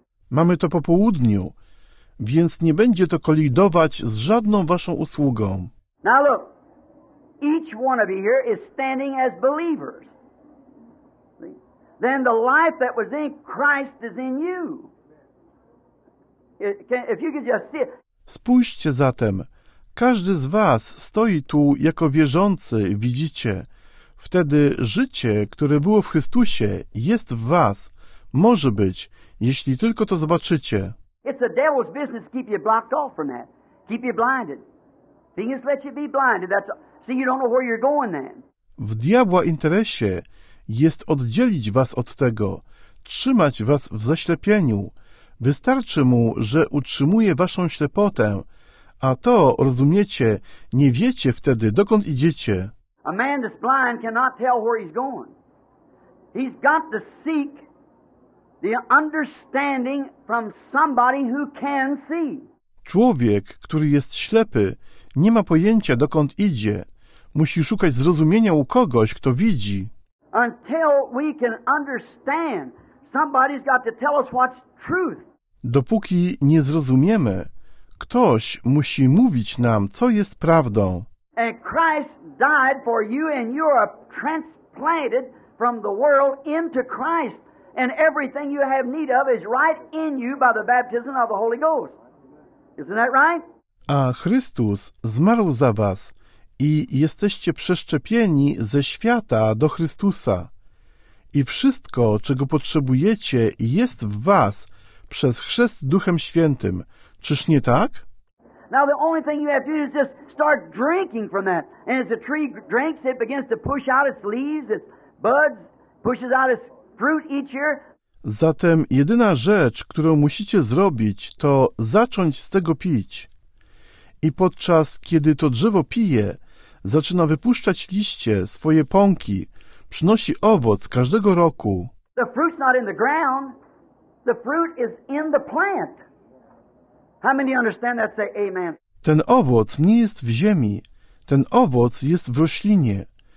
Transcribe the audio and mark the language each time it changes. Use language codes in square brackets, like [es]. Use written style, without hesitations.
[pl] Mamy to po południu, więc nie będzie to kolidować z żadną waszą usługą. [en] Now look, each one of you here is standing as believers. Then the life that was in Christ is in you. If you could just see it. [pl] Spójrzcie zatem. Każdy z was stoi tu jako wierzący, widzicie. Wtedy życie, które było w Chrystusie, jest w was. Może być, jeśli tylko to zobaczycie. [en] It's the devil's business to keep you blocked off from that. Keep you blinded. He just let you be blinded. That's see, you don't know where you're going then. [pl] W diabła interesie jest oddzielić was od tego, trzymać was w zaślepieniu. Wystarczy mu, że utrzymuje waszą ślepotę, a to, rozumiecie, nie wiecie wtedy, dokąd idziecie. [en] A man that's blind cannot tell where he's going. He's got to seek the understanding from somebody who can see. [pl] Człowiek, który jest ślepy, nie ma pojęcia, dokąd idzie. Musi szukać zrozumienia u kogoś, kto widzi. [en] Until we can understand, somebody's got to tell us what's truth. [pl] Dopóki nie zrozumiemy, ktoś musi mówić nam, co jest prawdą. [en] And Christ died for you and you are transplanted from the world into Christ. And everything you have need of is right in you by the baptism of the Holy Ghost. Isn't that right? [pl] A Chrystus zmarł za was i jesteście przeszczepieni ze świata do Chrystusa. I wszystko, czego potrzebujecie, jest w was przez chrzest Duchem Świętym. Czyż nie tak? [en] Now the only thing you have to do is just start drinking from that. And as the tree drinks, it begins to push out its leaves, its buds, pushes out its fruit each year. [pl] Zatem jedyna rzecz, którą musicie zrobić, to zacząć z tego pić. I podczas kiedy to drzewo pije, zaczyna wypuszczać liście, swoje pąki, przynosi owoc każdego roku. [en] The fruit's not in the ground. The fruit is in the plant. How many understand that? Say amen. [pl] Ten owoc nie jest w ziemi. Ten owoc jest w roślinie.